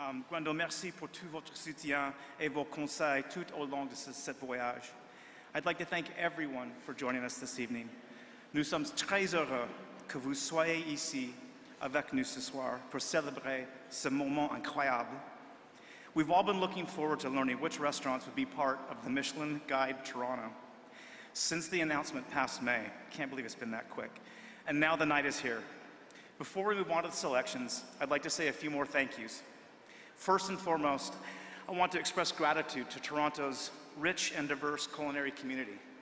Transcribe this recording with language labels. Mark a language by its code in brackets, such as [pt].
[fr] Gwendol, merci pour tout votre soutien et vos conseils tout au long de ce voyage. [en] I'd like to thank everyone for joining us this evening. [fr] Nous sommes très heureux que vous soyez ici avec nous ce soir pour célébrer ce moment incroyable. [en] We've all been looking forward to learning which restaurants would be part of the Michelin Guide Toronto. Since the announcement past May, can't believe it's been that quick. And now the night is here. Before we move on to the selections, I'd like to say a few more thank yous. First and foremost, I want to express gratitude to Toronto's rich and diverse culinary community.